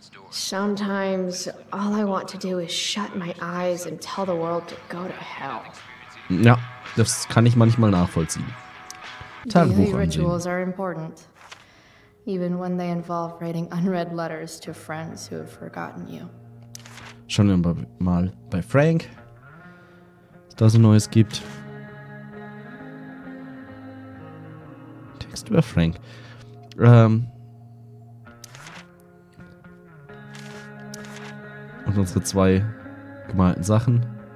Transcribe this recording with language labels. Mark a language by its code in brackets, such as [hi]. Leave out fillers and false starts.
[en] Sometimes all I want to do is shut my eyes and tell the world to go to hell. [de] Ja, das kann ich manchmal nachvollziehen. Tagebuch ansehen. [en] Daily rituals are important, even when they involve writing unread letters to friends who have forgotten you. [de] Schauen wir mal bei Frank, ob es da so Neues gibt. Text über Frank. Und unsere zwei gemalten Sachen.